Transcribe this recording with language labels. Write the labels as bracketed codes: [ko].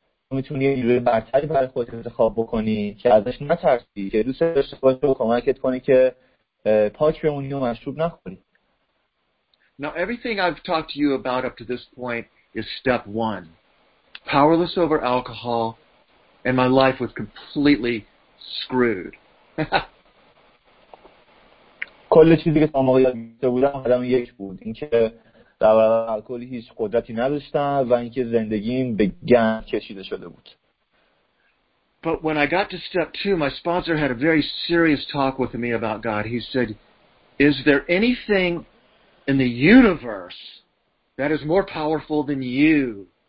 [fa] میتونی یه برتری برای خودت انتخاب بکنی که ازش نترسی، که دوست داشته باشی و کمکت کنی که پاک بمونی و مشروب نخوری. [en] Now everything I've talked to you about up to this point is step one. Powerless over alcohol and my life was completely screwed. [fa] کل چیزی که تا موقع یادمه بودم آدم یک بود، اینکه در برابر الکلی هیچ قدرتی نداشتم و اینکه زندگیم به گند کشیده شده بود. [en] But when I got to step 2, my sponsor had a very serious talk with me about God. He said, "Is there anything in the universe that is more powerful than you?"